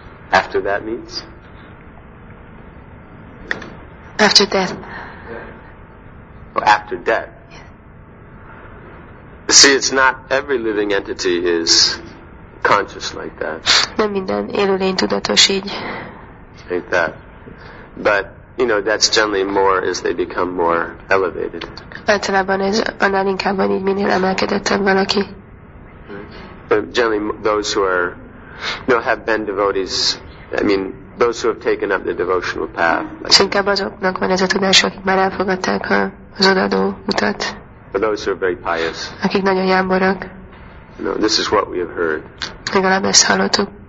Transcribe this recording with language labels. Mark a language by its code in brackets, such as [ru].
[en] After that means? After death. After death. See, it's not every living entity is conscious like that. [hu] Nem minden élőlény tudatos így. [en] Like that. But, you know, that's generally more as they become more elevated. [hu] Általában ez annál inkább van így, minél emelkedettebb valaki. [en] But generally those who are, you know, have been devotees, I mean, those who have taken up the devotional path. [hu] Inkább azoknak van ez a tudás, akik már elfogadták az odaadó utat. [en] For those who are very pious. [hu] Akik nagyon jámborak. [en] No, this is what we have heard. [hu] Legalább ezt hallottuk.